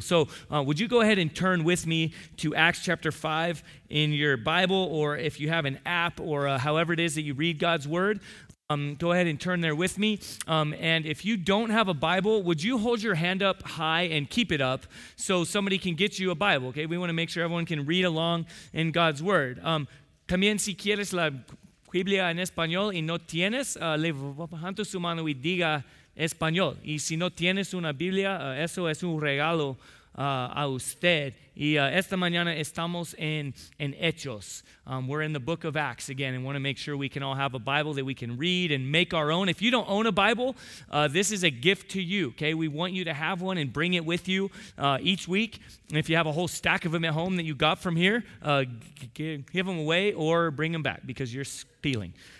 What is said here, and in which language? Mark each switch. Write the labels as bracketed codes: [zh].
[en] So would you go ahead and turn with me to Acts chapter 5 in your Bible, or if you have an app or however it is that you read God's Word, go ahead and turn there with me. And if you don't have a Bible, would you hold your hand up high and keep it up so somebody can get you a Bible, okay? We want to make sure everyone can read along in God's Word. [es] También si quieres la Biblia en español y no tienes, levanta su mano y diga español. Y si no tienes una Biblia, eso es un regalo a usted. Y esta mañana estamos en Hechos. [en] We're in the book of Acts again and want to make sure we can all have a Bible that we can read and make our own. If you don't own a Bible, this is a gift to you, okay? We want you to have one and bring it with you each week. And if you have a whole stack of them at home that you got from here, give them away or bring them back because you're stealing.